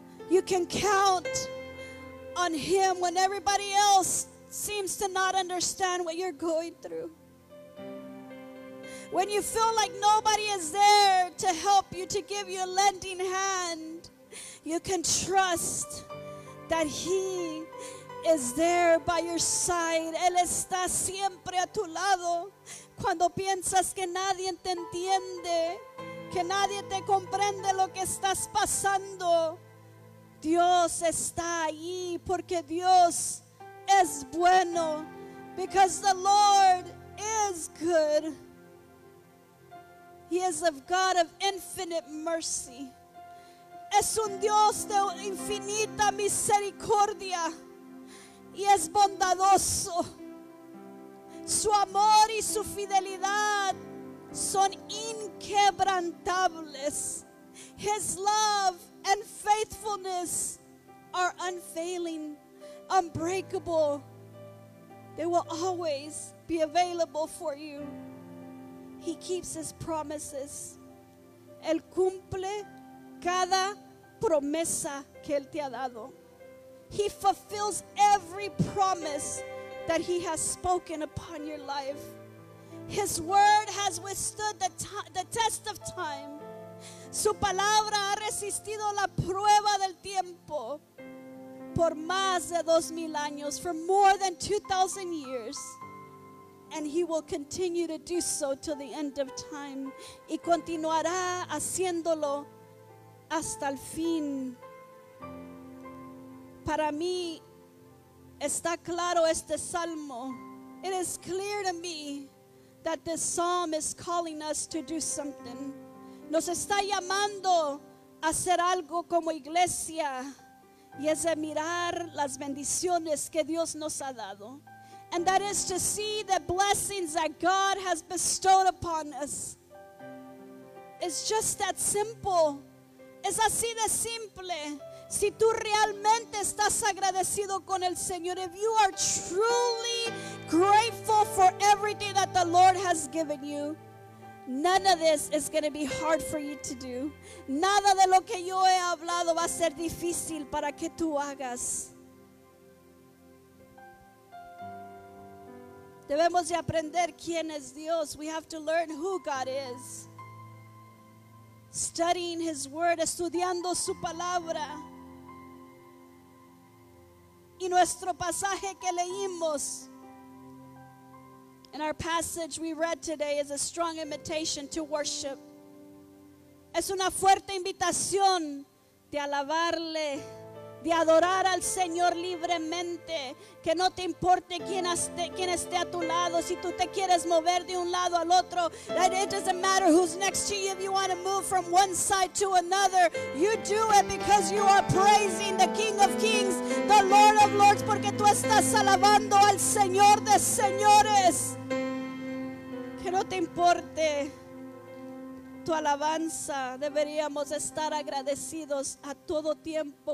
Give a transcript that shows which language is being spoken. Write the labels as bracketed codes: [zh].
[en] You can count on him when everybody else seems to not understand what you're going through. When you feel like nobody is there to help you, to give you a lending hand, you can trust that he is there by your side. [es] Él está siempre a tu lado. Cuando piensas que nadie te entiende, que nadie te comprende lo que estás pasando, Dios está ahí porque Dios es bueno. [en] Because the Lord is good. He is a God of infinite mercy. [es] Es un Dios de infinita misericordia y es bondadoso. Su amor y su fidelidad son inquebrantables. [en] His love and faithfulness are unfailing, unbreakable. They will always be available for you. He keeps his promises. [es] Él cumple cada promesa que él te ha dado. [en] He fulfills every promise that he has spoken upon your life. His word has withstood the test of time. [es] Su palabra ha resistido la prueba del tiempo por más de 2,000 años, [en] for more than 2,000 years. And he will continue to do so till the end of time. [es] Y continuará haciéndolo hasta el fin. Para mí, está claro este salmo. [en] It is clear to me that this psalm is calling us to do something. [es] Nos está llamando a hacer algo como iglesia, y es de mirar las bendiciones que Dios nos ha dado. [en] And that is to see the blessings that God has bestowed upon us. It's just that simple. [es] Es así de simple. Si tú realmente estás agradecido con el Señor, [en] if you are truly grateful for everything that the Lord has given you, none of this is going to be hard for you to do. [es] Nada de lo que yo he hablado va a ser difícil para que tú hagas. Debemos de aprender quién es Dios. [en] We have to learn who God is. Studying his word, [es] estudiando su palabra. Y nuestro pasaje que leímos. [en] And our passage we read today is a strong invitation to worship. [es] Es una fuerte invitación de alabarle, de adorar al Señor libremente. Que no te importe quién esté a tu lado. Si tú te quieres mover de un lado al otro, [en] that it doesn't matter who's next to you. If you want to move from one side to another, you do it because you are praising the King of Kings, the Lord of Lords. [es] Porque tú estás alabando al Señor de señores. Que no te importe tu alabanza, deberíamos estar agradecidos a todo tiempo.